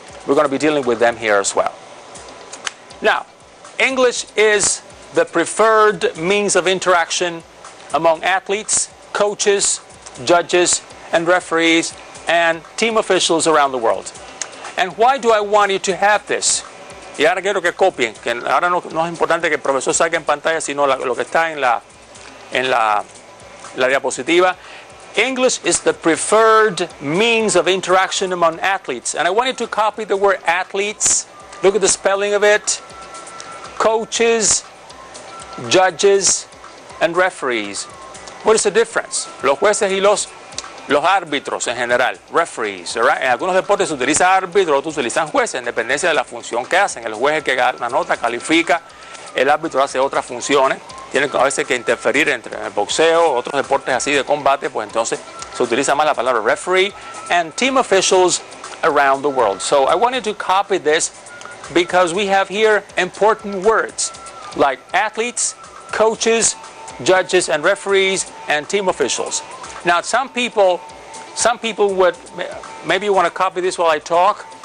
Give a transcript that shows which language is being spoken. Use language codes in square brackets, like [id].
[en] We're going to be dealing with them here as well. Now, English is the preferred means of interaction among athletes, coaches, judges, and referees, and team officials around the world. And why do I want you to have this? [es] Y ahora quiero que copien, que ahora no es importante que el profesor saque en pantalla, sino lo que está en la diapositiva. [en] English is the preferred means of interaction among athletes. And I want you to copy the word athletes. Look at the spelling of it. Coaches, judges, and referees. What is the difference? [es] Los jueces y los árbitros en general, referees, ¿verdad? En algunos deportes se utiliza árbitro, otros utilizan jueces, en dependencia de la función que hacen. El juez es el que gana la nota, califica, el árbitro hace otras funciones, tiene a veces que interferir entre el boxeo, otros deportes así de combate, pues entonces se utiliza más la palabra referee, [en] and team officials around the world. So I wanted to copy this because we have here important words like athletes, coaches, judges and referees, and team officials. Now, some people would maybe want to copy this while I talk.